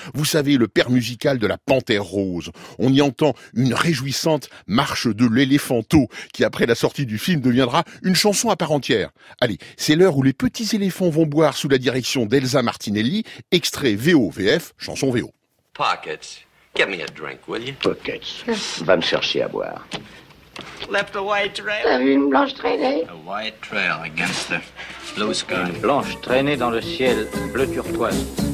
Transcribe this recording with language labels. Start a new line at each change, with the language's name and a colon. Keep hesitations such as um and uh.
French: Vous savez, le père musical de la Panthère Rose. On y entend une réjouissante marche de l'éléphanto qui, après la sortie du film, deviendra une chanson à part entière. Allez, c'est l'heure où les petits éléphants vont boire sous la direction d'Elsa Martinelli, extrait VOVF, chanson VO.
English: Pockets, give me a drink, will you? Pockets, mm
French: -hmm. va me chercher à boire.
English: Left a white trail.
French: vu une blanche traînée?
English: A white trail against the blue sky.
French: Une blanche traînée dans le ciel bleu turquoise.